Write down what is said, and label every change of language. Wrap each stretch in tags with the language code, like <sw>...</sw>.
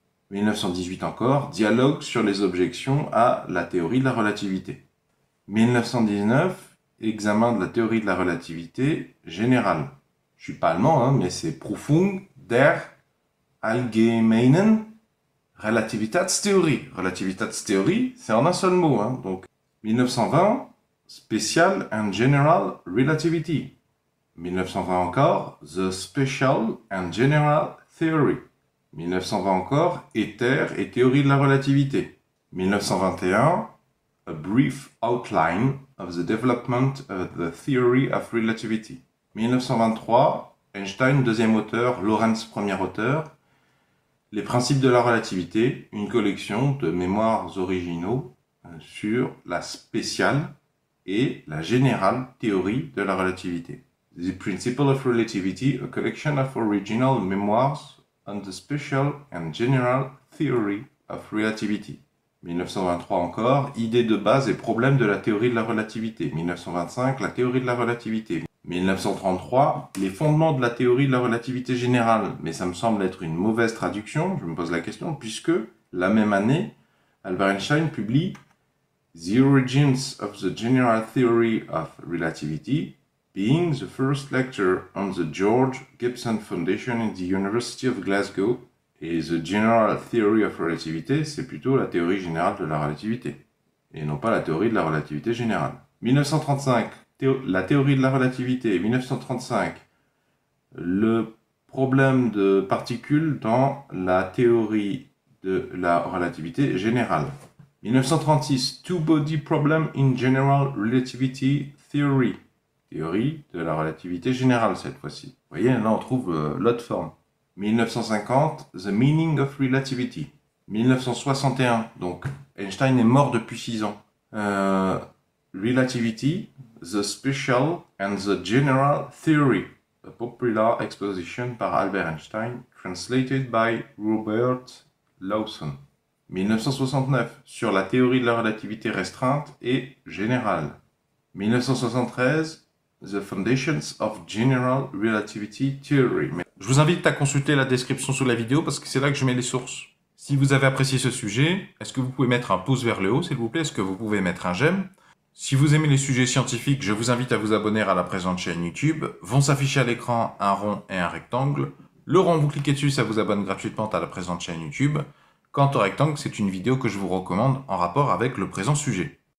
<fr>1918 encore, dialogue sur les objections à la théorie de la relativité. 1919, examen de la théorie de la relativité générale. Je suis pas allemand, hein, mais c'est</fr> <de>Prüfung der Allgemeinen Relativitätstheorie.</de> <fr>Relativitätstheorie, c'est en un seul mot, hein.</fr> <en>Donc, 1920, Special and General Relativity. 1920 encore, The Special and General Theory.</en> <fr>1920 encore, Éther et théorie de la relativité.</fr> <en>1921, A Brief Outline of the Development of the Theory of Relativity.</en> <fr>1923, Einstein, deuxième auteur, Lorentz, premier auteur. Les principes de la relativité, une collection de mémoires originaux sur la spéciale et la générale théorie de la relativité.</fr> <en>The Principle of Relativity, a collection of original memoirs on the special and general theory of relativity.</en> <fr>1923 encore, idées de base et problèmes de la théorie de la relativité. 1925, la théorie de la relativité. 1933, les fondements de la théorie de la relativité générale. Mais ça me semble être une mauvaise traduction, je me pose la question, puisque la même année, Albert Einstein publie</fr> <en>The Origins of the General Theory of Relativity, being the first lecture on the George Gibson Foundation in the University of Glasgow.</en> <fr>Et</fr> <en>The General Theory of Relativity,</en> <fr>c'est plutôt la théorie générale de la relativité, et non pas la théorie de la relativité générale. 1935. La théorie de la relativité, 1935. Le problème de particules dans la théorie de la relativité générale.</fr> <en>1936, Two Body Problem in General Relativity Theory.</en> <fr>Théorie de la relativité générale cette fois-ci. Vous voyez, là on trouve l'autre forme.</fr> <en>1950, The Meaning of Relativity.</en> <fr>1961, donc Einstein est mort depuis 6 ans.</fr> <en>Relativity, the special and the general theory, a popular exposition par Albert Einstein, translated by Robert Lawson.</en> <fr>1969, sur la théorie de la relativité restreinte et générale.</fr> <en>1973, the foundations of general relativity theory.</en> <fr>Je vous invite à consulter la description sous la vidéo parce que c'est là que je mets les sources. Si vous avez apprécié ce sujet, est-ce que vous pouvez mettre un pouce vers le haut, s'il vous plaît? Est-ce que vous pouvez mettre un j'aime? Si vous aimez les sujets scientifiques, je vous invite à vous abonner à la présente chaîne YouTube. Vont s'afficher à l'écran un rond et un rectangle. Le rond, vous cliquez dessus, ça vous abonne gratuitement à la présente chaîne YouTube. Quant au rectangle, c'est une vidéo que je vous recommande en rapport avec le présent sujet.</fr>